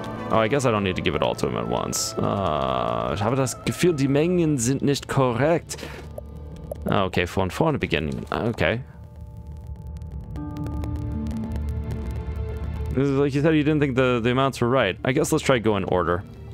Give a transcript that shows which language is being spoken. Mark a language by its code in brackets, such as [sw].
[en] Oh, I guess I don't need to give it all to him at once. [de] Ich habe das Gefühl, die Mengen sind nicht korrekt. Okay, von vorne beginnen. Okay. [en] This is like you said, you didn't think the amounts were right. I guess let's try go in order.